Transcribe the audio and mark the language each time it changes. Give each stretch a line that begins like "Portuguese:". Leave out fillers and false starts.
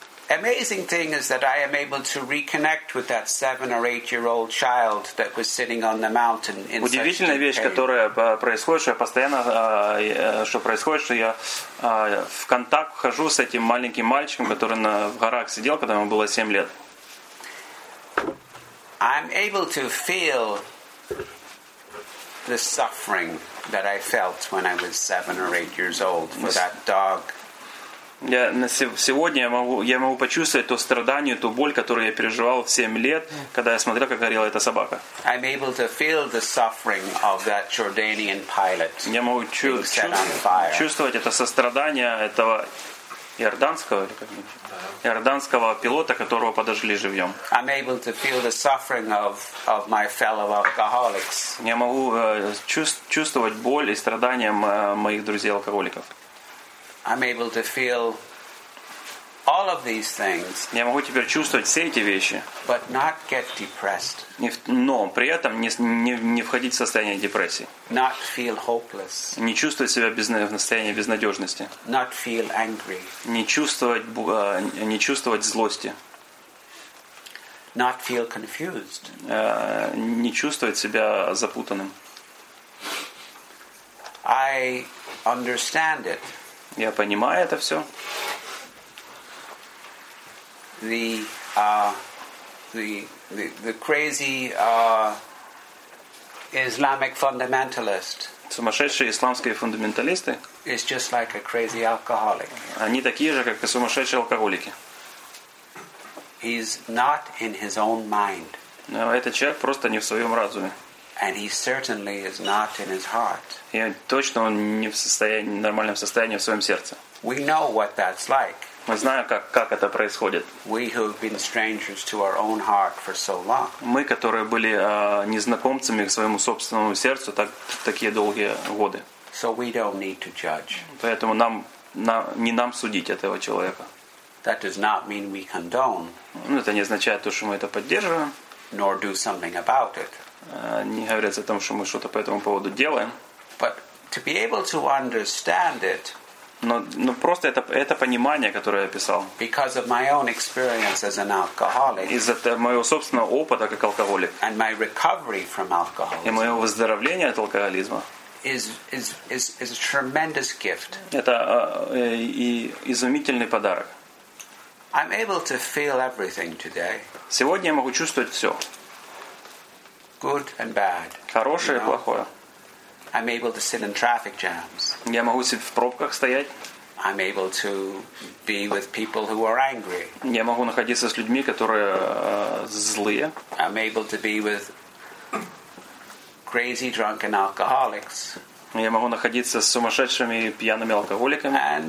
English: Amazing thing is that I am able to reconnect with that 7 or 8 year old child that was sitting on the mountain in such deep pain.
Russian: Вещь, которая происходит, что я постоянно, что происходит, что я в контакт вхожу с этим маленьким мальчиком, который в горах сидел, когда ему было 7 лет.
English: I'm able to feel the suffering that I felt when I was 7 or 8 years old for that dog.
Russian: Я на сегодня я могу почувствовать то страдание, ту боль, которую я переживал в 7 лет, когда я смотрел, как горела эта собака.
English: I'm able to feel the suffering of that Jordanian pilot.
Russian: Я могу чувствовать это сострадание этого иорданского пилота, которого подожгли живьем.
English: I'm able to feel the suffering of my fellow alcoholics.
Russian: Я могу чувствовать боль и страдания моих друзей-алкоголиков.
English: I'm able to feel all of these things.
Russian: Я могу теперь чувствовать все эти вещи.
English: But not get depressed.
Russian: Но при этом не входить в состояние депрессии.
English: Not feel hopeless.
Russian: Не чувствовать себя в состоянии безнадежности.
English: Not feel angry.
Russian: Не чувствовать злости.
English: Not feel confused.
Russian: Не чувствовать себя запутанным.
English: I understand it.
Russian: Я понимаю это все.
English: The crazy Islamic fundamentalist.
Russian: Сумасшедшие исламские фундаменталисты.
English: Is just like a crazy alcoholic.
Russian: Они такие же, как и сумасшедшие алкоголики.
English: He's not in his own mind.
Russian: Но этот человек просто не в своем разуме.
English: And he certainly is not in his heart.
Russian: И точно он не в состоянии, нормальном состоянии в своем сердце.
English: We know what that's like.
Russian: Мы знаем, как это происходит.
English: We who have been strangers to our own heart for so long.
Russian: Мы, которые были незнакомцами к своему собственному сердцу такие долгие годы.
English: So we don't need to judge.
Russian: Поэтому нам не судить этого человека.
English: That does not mean we condone.
Russian: Ну, это не означает то, что мы это поддерживаем.
English: Nor do something about it.
Russian: Не говорится о том, что мы что-то по этому поводу делаем.
English: But to be able to understand it,
Russian: но просто это понимание, которое я писал.
English: Because of my own experience as an alcoholic,
Russian: из-за моего собственного опыта как алкоголик.
English: And my recovery from alcoholism,
Russian: и мое выздоровление от алкоголизма.
English: Is a tremendous gift.
Russian: Это и изумительный подарок.
English: I'm able to feel everything today.
Russian: Сегодня я могу чувствовать все.
English: Good and bad.
Russian: Хорошее и плохое.
English: I'm able to sit in traffic jams.
Russian: Я могу сидеть в пробках стоять.
English: I'm able to be with people who are angry.
Russian: Я могу находиться с людьми, которые злые.
English: I'm able to be with crazy drunken alcoholics.
Russian: Я могу находиться с сумасшедшими пьяными алкоголиками.